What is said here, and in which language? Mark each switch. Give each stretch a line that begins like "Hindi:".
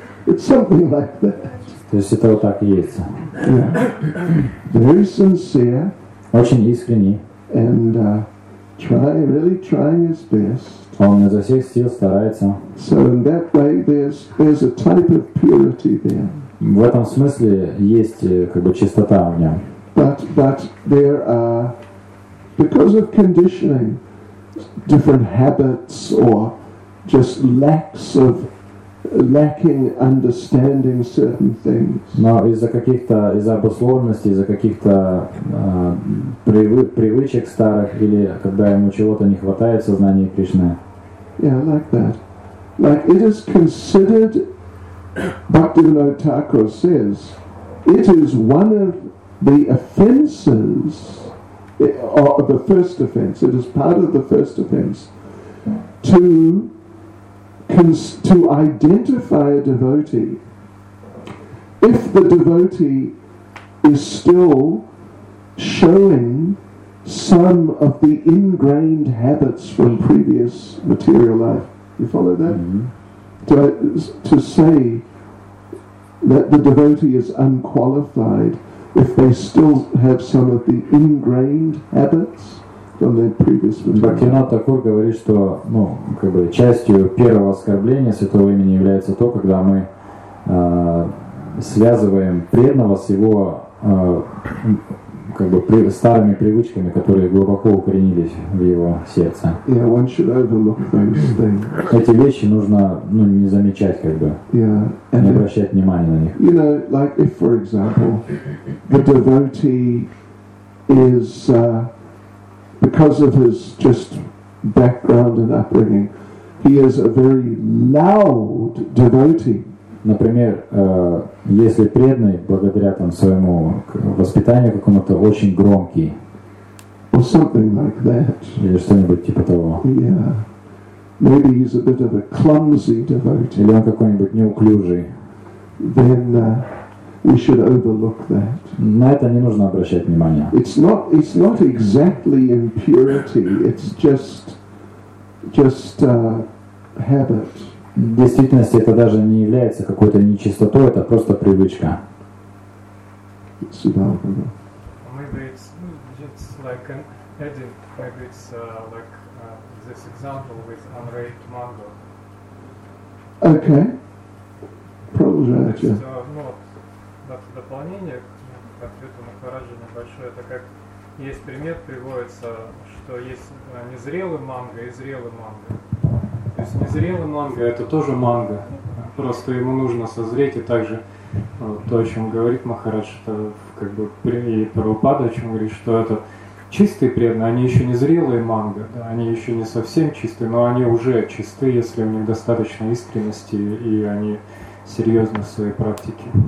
English: It's something like that.
Russian: То есть это вот так и есть.
English: Yeah. Very sincere.
Russian: Очень искренний.
English: And trying his best.
Russian: Он изо всех сил старается.
English: So in that way there's a type of purity there.
Russian: В этом смысле есть как бы чистота в нем.
English: But there are because of conditioning, different habits or just lacking understanding certain things.
Russian: Но из-за каких-то, из-за обусловленности, из-за каких-то привычек старых, или когда ему чего-то не хватает в сознании Кришны.
English: Yeah, like that. Like it is considered, Bhaktivinoda Thakur says, it is one of the offenses of the first offense, it is part of the first offense to identify a devotee if the devotee is still showing some of the ingrained habits from previous material life. You follow that? Mm-hmm. To say that the devotee is unqualified if they still have some of the ingrained habits from their previous material.
Russian: Бхактивинода Тхакур говорит, что, ну, как бы частью первого оскорбления святого имени является то, когда мы связываем преданного с его как бы старыми привычками, которые глубоко укоренились в его сердце.
English: Yeah, one should overlook those things.
Russian: Эти вещи нужно, ну, не замечать, как бы,
English: yeah,
Russian: не обращать внимания на них.
English: You know, like if, for example, the devotee is because of his just background and upbringing, he is a very loud devotee.
Russian: Например, если преданный, благодаря там своему воспитанию какому-то, очень громкий.
English: Or something like that.
Russian: Или что-нибудь типа того.
English: Yeah. Maybe he's a bit of a clumsy devotee.
Russian: Или он какой-нибудь неуклюжий.
English: Then we should overlook that.
Russian: На это не нужно обращать внимания.
English: It's not exactly impurity, it's just habit.
Russian: В действительности это даже не является какой-то нечистотой, это просто привычка.
English: Maybe it's just like an edit, maybe it's like this example with unraped mango.
Russian: Okay. Продолжай. Это все, ну, вот, дополнение к ответу Махараджа небольшое, это как есть пример, приводится, что есть незрелый манго и зрелый манго. То есть незрелый манго — это тоже манго, просто ему нужно созреть. И также вот, то, о чем говорит Махарадж, это как бы и Прабхупада, о чем говорит, что это чистые преданные, они еще не зрелые манго, да, они еще не совсем чистые, но они уже чисты, если у них достаточно искренности и они серьезны в своей практике.